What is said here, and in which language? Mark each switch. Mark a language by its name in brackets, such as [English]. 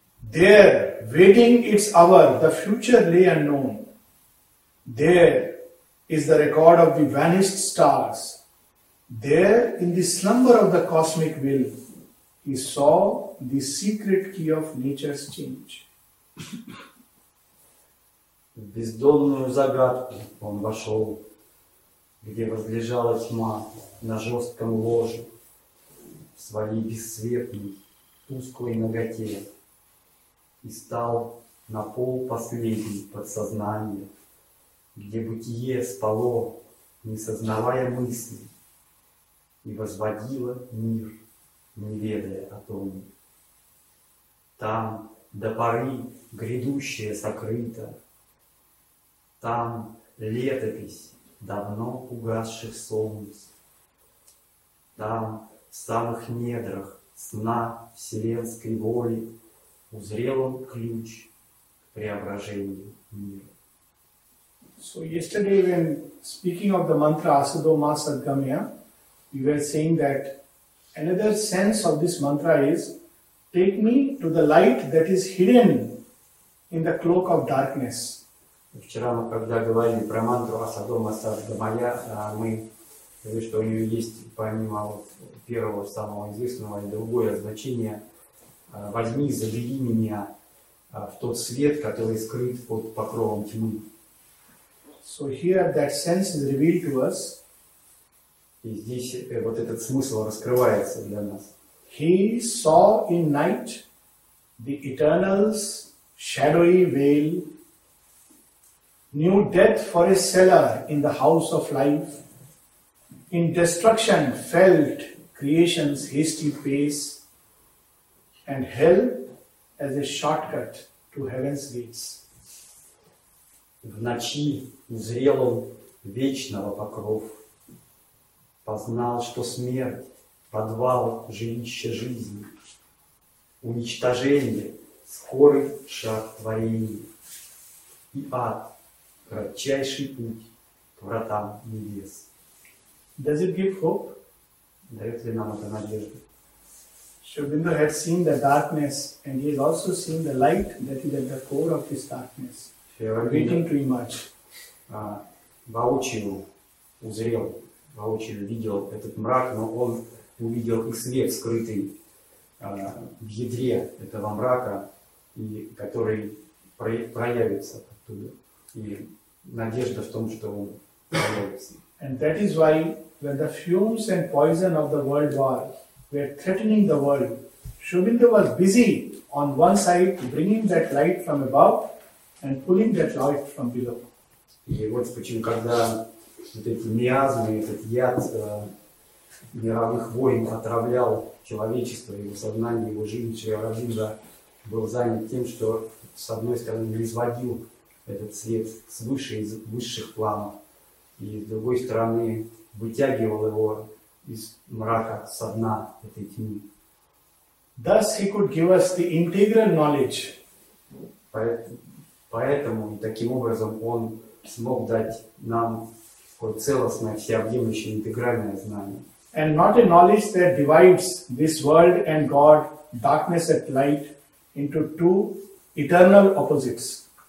[English] There, waiting its hour, the future lay unknown. There is the record of the vanished stars. There, in the slumber of the cosmic will, he saw the secret key of nature's change. [Russian] Бездонную загадку он вошел, где возлежала тьма на жестком ложе, в своей бесцветной, тусклой ноготе, и стал на пол последний подсознание, где бытие спало, не сознавая мысли, и возводила мир, не ведая о том. Там до поры грядущее сокрыто, там летопись давно угасших солнц, там в самых недрах сна вселенской воли узрел он ключ к преображению мира. [English] So yesterday when speaking of the mantra Asado Ma Sadgamya, you were saying that another sense of this mantra is take me to the light that is hidden in the cloak of darkness. [Russian] Вчера мы когда говорили про мантру Асадо Ма Садгамая, мы говорили, что у нее есть помимо первого самого известного и другое значение. Возьми, забери меня в тот свет, который скрыт под покровом тьмы. [English] So here that sense is revealed to us. [Russian] И здесь вот этот смысл раскрывается для нас. [English] He saw in night the eternal's shadowy veil, knew death for a seller in the house of life, in destruction felt creation's hasty pace, and hell as a shortcut to heaven's gates. [Russian] В ночи узрел он вечного покров, познал, что смерть — подвал жилища жизни, уничтожение — скорый шаг творения, и ад — кратчайший путь к вратам небес. [English] Does it give hope? [Russian] Дает ли нам это надежду? [English] Шобинда had seen the darkness, and he has also seen the light that is at the core of this darkness. Waiting to emerge. [Russian] Воочию узрел, воочию видел этот мрак, но он увидел и свет, скрытый в ядре этого мрака, и который проявится оттуда. И надежда в том, что он проявится. [English] And that is why, when the fumes and poison of the world war were threatening the world, Shubhendu was busy on one side bringing that light from above, and pulling that light from below. [Russian] И вот почему, когда вот эти миазмы, этот яд мировых войн отравлял человечество, его сознание, его жизнь, Шри-Аурабинда был занят тем, что, с одной стороны, производил этот свет свыше, из высших планов, и, с другой стороны, вытягивал его из мрака, со дна этой тьмы. [English] Thus he could give us the integral knowledge. [Russian] Поэтому и таким образом он смог дать нам такое целостное, всеобъемлющее, интегральное знание. [English] And not a knowledge that divides this world and God, darkness and light, into two eternal opposites.